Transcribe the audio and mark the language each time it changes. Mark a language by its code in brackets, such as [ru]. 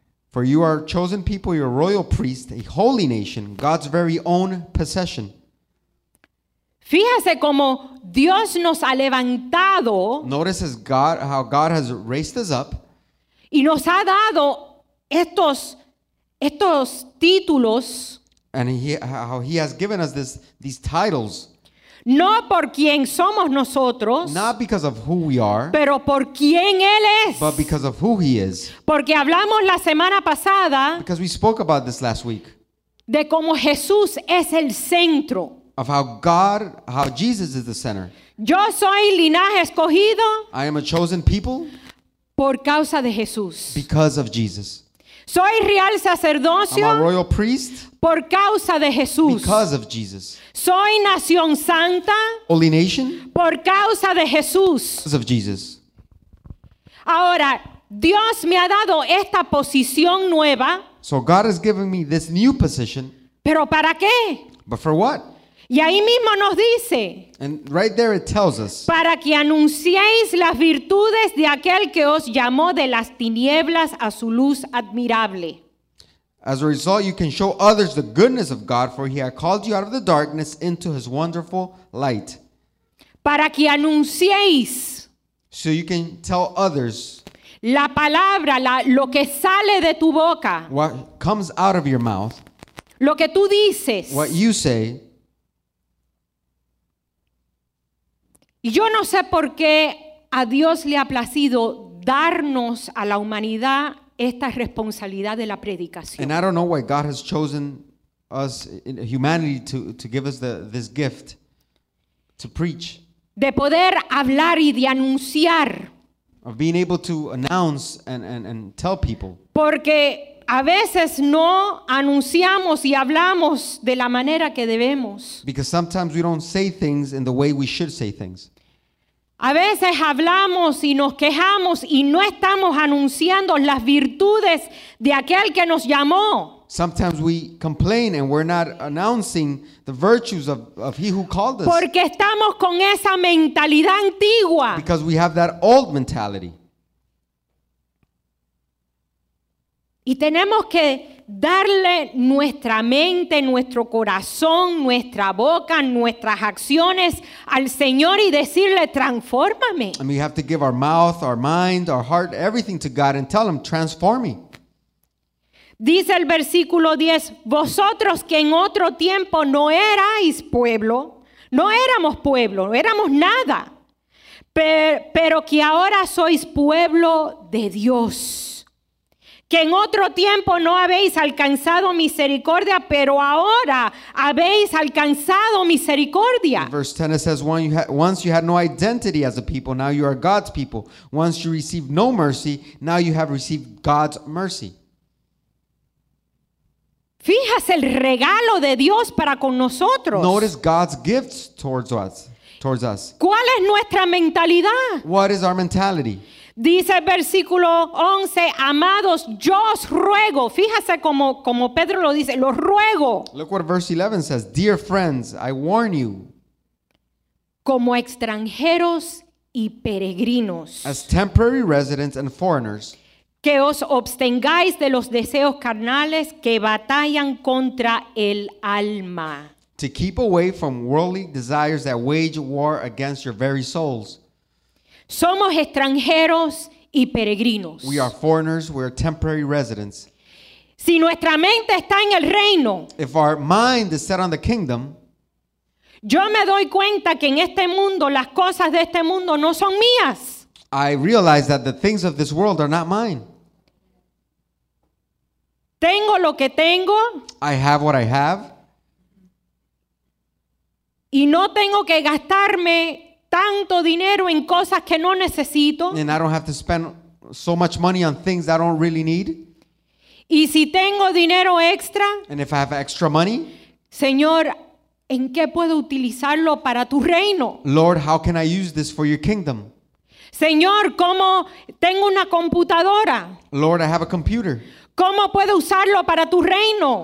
[en] For you are chosen people, your royal priest, a holy nation, God's very own possession. [es] Fíjese cómo Dios nos ha levantado. [en] Notice how God has raised us up. [es] Y nos ha dado estos títulos. [en] And how he has given us these titles. [es] No por quien somos nosotros, [en] not because of who we are, [es] pero por quien él es, [en] but because of who he is. [es] Porque hablamos la semana pasada, [en] because we spoke about this last week, [es] de cómo Jesús es el centro, [en] of how Jesus is the center. [es] Yo soy linaje escogido, [en] I am a chosen people, [es] por causa de Jesús, [en] because of Jesus. [es] Soy real sacerdocio, [en] I'm a royal priest, [es] por causa de Jesús. [en] Because of Jesus. [es] Soy nación santa. [en] Holy nation. [es] Por causa de Jesús. [en] Because of Jesus. [es] Ahora, Dios me ha dado esta posición nueva. [en] So God has given me this new position. [es] ¿Pero para qué? [en] But for what? [es] Y ahí mismo nos dice. [en] And right there it tells us. [es] Para que anunciéis las virtudes de aquel que os llamó de las tinieblas a su luz admirable. [en] As a result, you can show others the goodness of God, for he had called you out of the darkness into his wonderful light. [es] Para que anunciéis. [en] So you can tell others. [es] La palabra, lo que sale de tu boca. [en] What comes out of your mouth. [es] Lo que tú dices. [en] What you say. [es] Yo no sé por qué a Dios le ha placido darnos a la humanidad esta responsabilidad de la predicación. [en] And I don't know why God has chosen us, humanity, to give us this gift to preach. [es] De poder hablar y de anunciar. [en] Of being able to announce and tell people. [es] Porque a veces no anunciamos y hablamos de la manera que debemos. [en] Because sometimes we don't say things in the way we should say things. [es] A veces hablamos y nos quejamos y no estamos anunciando las virtudes de aquel que nos llamó. [en] Sometimes we complain and we're not announcing the virtues of he who called us. [es] Porque estamos con esa mentalidad antigua. [en] Because we have that old mentality. [es] Y tenemos que darle nuestra mente, nuestro corazón, nuestra boca, nuestras acciones al Señor y decirle, transfórmame. [en] And we have to give our mouth, our mind, our heart, everything to God and tell him, transform me. [es] Dice el versículo 10, vosotros que en otro tiempo no erais pueblo, no éramos pueblo, no éramos nada, pero que ahora sois pueblo de Dios. Que en otro tiempo no habéis alcanzado misericordia, pero ahora habéis alcanzado misericordia. [en] In verse 10 it says, once you had no identity as a people, now you are God's people. Once you received no mercy, now you have received God's mercy. [es] Fijas el regalo de Dios para con nosotros. [en] Notice God's gifts towards us. [es] ¿Cuál es nuestra mentalidad? [en] What is our mentality? [es] Dice el versículo 11, amados, yo os ruego. Fíjase como Pedro lo dice, los ruego. [en] Look what verse 11 says, dear friends, I warn you. [es] Como extranjeros y peregrinos. [en] As temporary residents and foreigners. [es] Que os abstengáis de los deseos carnales que batallan contra el alma. [en] To keep away from worldly desires that wage war against your very souls. [es] Somos extranjeros y peregrinos. [en] We are foreigners, we are temporary residents. [es] Si nuestra mente está en el reino, [en] if our mind is set on the kingdom, [es] yo me doy cuenta que en este mundo las cosas de este mundo no son mías. [en] I realize that the things of this world are not mine. [es] Tengo lo que tengo. [en] I have what I have. [es] Y no tengo que gastarme tanto dinero en cosas que no necesito. [en] And I don't have to spend so much money on things I don't really need. [es] Y si tengo dinero extra, [en] and if I have extra money, [es] Señor, ¿en qué puedo utilizarlo para tu reino? [en] Lord, how can I use this for your kingdom? [es] Señor, ¿cómo tengo una computadora? [en] Lord, I have a computer. [es] ¿Cómo puedo usarlo para tu reino?